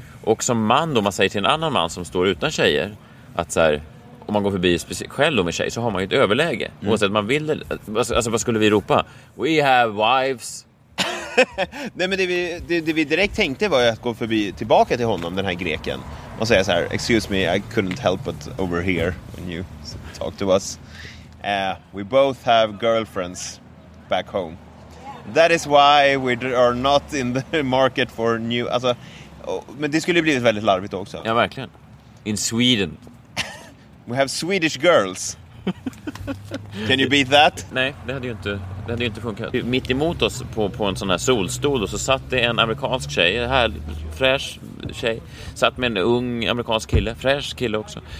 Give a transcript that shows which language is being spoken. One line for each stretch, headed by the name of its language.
Swedish: Och som man då, man säger till en annan man som står utan tjejer, att så här... Om man går förbi själv med tjej så har man ju ett överläge. Mm. Oavsett man vill det. Alltså vad skulle vi ropa?
English: We have wives.
Swedish: Nej, men det vi direkt tänkte var att gå förbi tillbaka till honom, den här greken. Och säga så här,
English: excuse me, I couldn't help but overhear when you talk to us. We both have girlfriends back home. Yeah. That is why we are not in the market for new...
Swedish: Alltså, men det skulle bli väldigt larvigt också. Ja, verkligen.
English: In Sweden... We have Swedish girls. Can you beat that?
Swedish: Nej, det hade ju inte funkat. Mitt emot oss på en sån här solstol, och så satt det en amerikansk tjej, en här fräsch tjej, satt med en ung amerikansk kille, fräsch kille också.